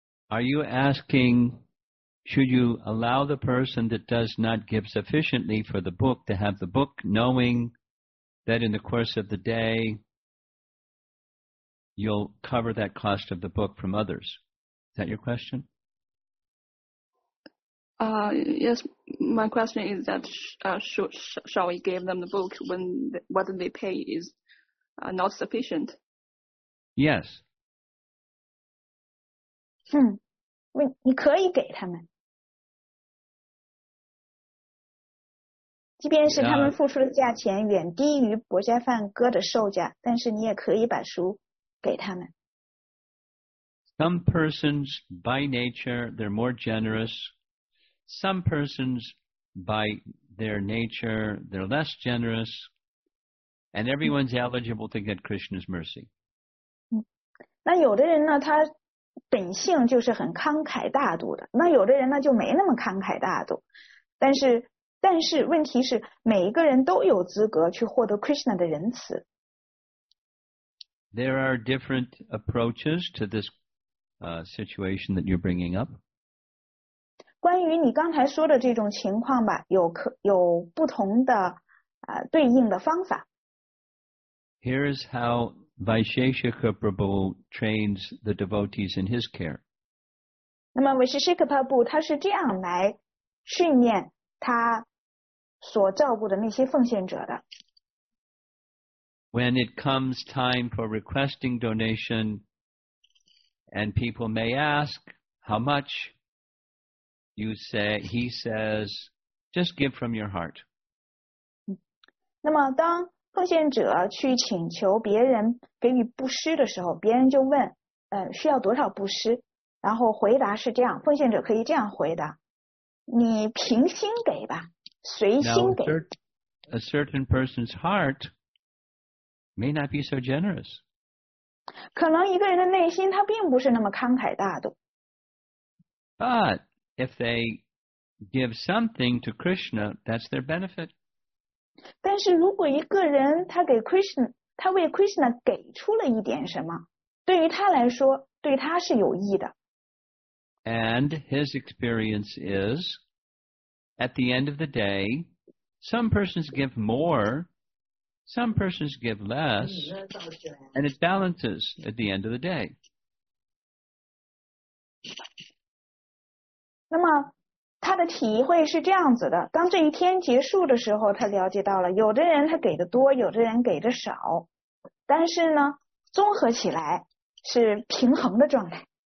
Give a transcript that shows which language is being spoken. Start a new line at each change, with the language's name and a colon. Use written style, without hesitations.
English: Are you asking, should you allow the person that does not give sufficiently for the book to have the book, knowing that in the course of the day, you'll cover that cost of the book from others? Is that your question? Yes, my question is that shall we give them the book when what they pay is not sufficient? Yes. Hmm.
Chinese: 你可以给他们，即便是他们付出的价钱远低于伯家梵歌的售价，但是你也可以把书给他们。
English: Some persons, by nature, they're more generous. Some persons, by their nature, they're less generous. And everyone's eligible to get Krishna's mercy.
Chinese: 那有的人呢，他本性就是很慷慨大度的，那有的人呢就没那么慷慨大度，但是问题是每一个人都有资格去获得 Krishna 的仁慈。
English: There are different approaches to this situation that you're bringing up.
Chinese: 关于你刚才说的这种情况吧，有不同的对应的方法。
English: Here's howVaisheshika Prabhu trains the devotees in his care.
Chinese: 那么 Vaisheshika Prabhu 他是这样来训练他所照顾的那些奉献者的。
English: When it comes time for requesting donation, and people may ask how much, he says, just give from your heart.
Chinese: 那么当奉献者去请求别人给予布施的时候，别人就问需要多少布施，然后回答是这样，奉献者可以这样回答，你凭心给吧，随心给。
English: Now, a certain person's heart may not be so generous.
Chinese: 可能一个人的内心他并不是那么慷慨大度。
English: But if they give something to Krishna, that's their benefit.
Chinese: 但是如果一个人他给 Krishna， 他为 Krishna 给出了一点什么，对于他来说对他是有益的。
English: And his experience is at the end of the day some persons give more, some persons give less, and it balances at the end of the day.
Chinese: 那么他的体会是这样子的，当这一天结束的时候，他了解到了有的人他给的多，有的人给的少，但是呢综合起来是平衡的状态。